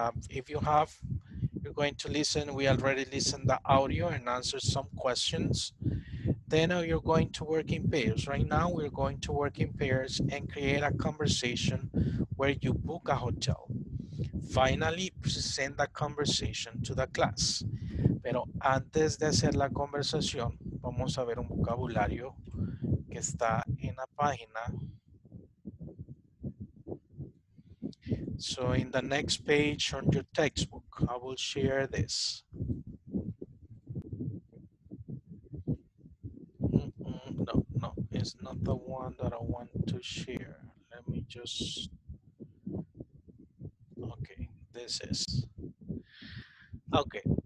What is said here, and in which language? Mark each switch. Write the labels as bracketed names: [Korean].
[English] If you have, you're going to listen. We already listened the audio and answer some questions. Then you're going to work in pairs. Right now we're going to work in pairs and create a conversation where you book a hotel. Finally, present the conversation to the class. [Spanish] Pero antes de hacer la conversación, vamos a ver un vocabulario que está en la página. [English] So in the next page on your textbook, I will share this. No, it's not the one that I want to share. Let me just, okay, this is, okay.